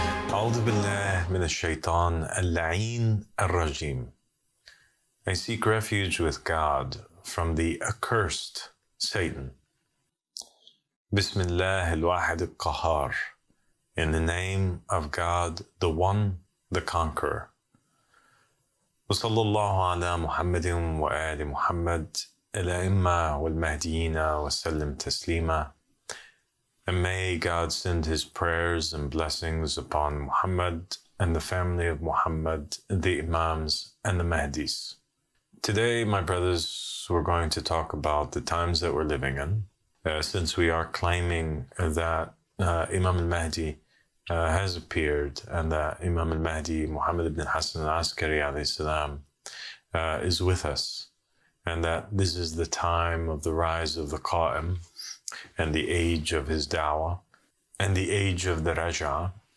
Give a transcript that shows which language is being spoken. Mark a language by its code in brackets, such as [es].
[ar] أعوذ بالله من الشيطان اللعين الرجيم. [en] I seek refuge with God from the accursed Satan. [ar] بسم الله الواحد القهار. [en] In the name of God, the One, the Conqueror. [ar] وصلى الله على محمد وآل محمد الأئمة والمهديين وسلم تسليما. [en] And may God send his prayers and blessings upon Muhammad and the family of Muhammad, the Imams and the Mahdis. Today, my brothers, we're going to talk about the times that we're living in, since we are claiming that Imam al-Mahdi has appeared and that Imam al-Mahdi, Muhammad ibn Hassan al-Askari alayhi salam, is with us, and that this is the time of the rise of the Qaim, and the age of his da'wah, and the age of the Raja'ah.